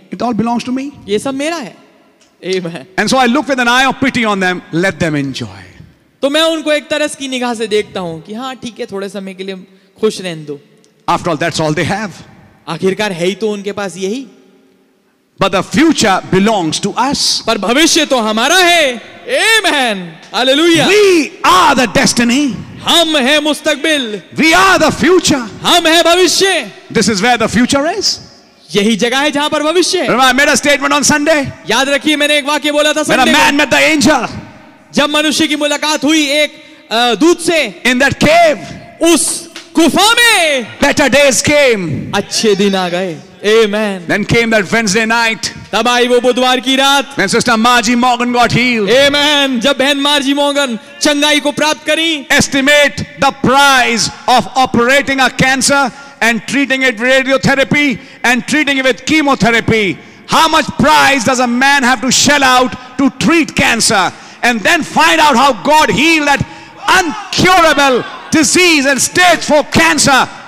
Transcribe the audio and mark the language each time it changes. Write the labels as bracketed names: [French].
[English] It all belongs to me. [Hindi] ये सब मेरा है. [English] Amen. And so I look with an eye of pity on them, let them enjoy. [Hindi] तो मैं उनको एक तरस की निगाह से देखता हूं कि हाँ ठीक है थोड़े समय के लिए खुश रहने दो. [English] After all, that's all they have. [Hindi] आखिरकार है ही तो उनके पास यही. [English] But the future belongs to us. [Hindi] पर भविष्य तो हमारा है. [English] Amen. Hallelujah. We are the destiny. [Hindi] हम हैं मुस्तकबिल. [English] We are the future. [Hindi] हम हैं भविष्य. [English] This is where the future is. [Hindi] यही जगह है जहां पर भविष्य है. [English] Remember, I made a statement on Sunday. [Hindi] याद रखिए मैंने एक वाक्य बोला था Sunday. [English] When a man met the angel. [Hindi] जब मनुष्य की मुलाकात हुई एक दूत से. [English] In that cave. [Hindi] उस गुफा में. [English] Better days came. [Hindi] अच्छे दिन आ गए. Amen. [English] Then came that Wednesday night. [Hindi] तब आई वो बुधवार की रात. [English] When Sister Margie Morgan got healed. Amen. [Hindi] जब बहन मार्जी मॉर्गन चंगाई को प्राप्त करी. [English] Estimate the price of operating a cancer and treating it with radiotherapy and treating it with chemotherapy. How much price does a man have to shell out to treat cancer and then find out how God healed that incurable disease and stage 4 cancer?